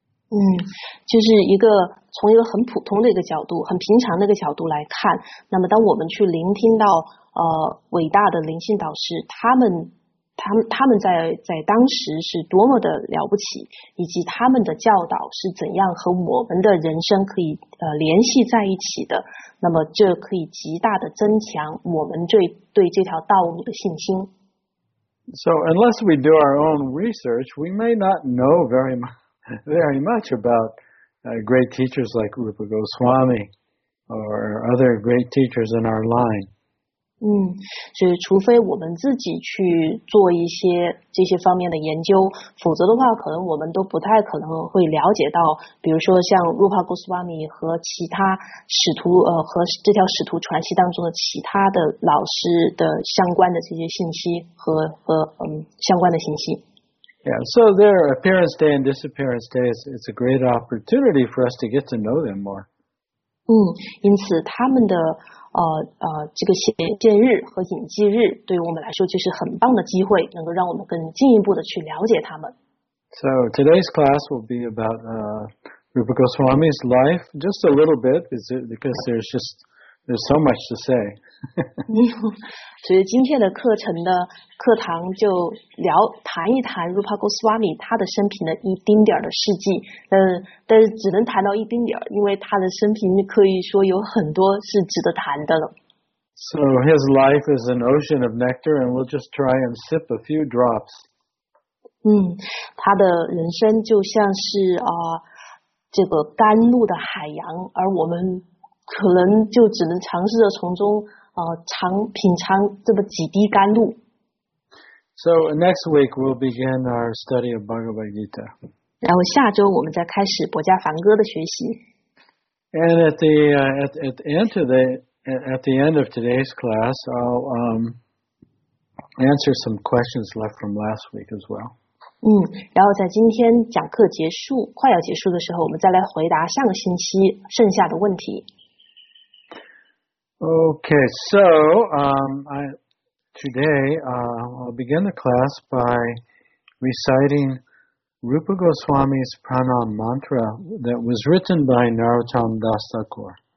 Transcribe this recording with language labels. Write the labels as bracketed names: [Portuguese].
[Chinese] 就是一个从一个很普通的一个角度，很平常的一个角度来看，那么当我们去聆听到伟大的灵性导师他们在当时是多么的了不起，以及他们的教导是怎样和我们的人生可以联系在一起的，那么这可以极大的增强我们对这条道路的信心。 [English] So unless we do our own research, we may not know very much about great teachers like Rupa Goswami or other great teachers in our line. [Chinese] 所以除非我们自己去做一些这些方面的研究，否则的话可能我们都不太可能会了解到，比如说像 Rupa Goswami 和其他使徒和这条使徒传系当中的其他的老师的相关的这些信息和相关的信息。 [English] Yeah, so their appearance day and disappearance day is a great opportunity for us to get to know them more. [Chinese] 因此他们的这个显现日和隐迹日对于我们来说就是很棒的机会，能够让我们更进一步的去了解他们。 [English] So today's class will be about Rupa Goswami's life, just a little bit, because there's so much to say. [Chinese] 所以今天的课程的课堂就谈一谈 Rupa Goswami 他的生平的一丁点的事迹，但是只能谈到一丁点，因为他的生平可以说有很多是值得谈的了。 [English] So his life is an ocean of nectar, and we'll just try and sip a few drops. [Chinese] 他的人生就像是这个甘露的海洋，而我们可能就只能尝试着从中品尝这么几滴甘露。 [English] So next week we'll begin our study of Bhagavad Gita. [Chinese] 然后下周我们再开始博迦梵歌的学习。 [English] And at the end of today's class, I'll answer some questions left from last week as well. [Chinese] 然后在今天讲课结束快要结束的时候，我们再来回答上个星期剩下的问题。 [English] Okay, so I'll begin the class by reciting Rupa Goswami's Pranam Mantra that was written by Narottam Das Thakur.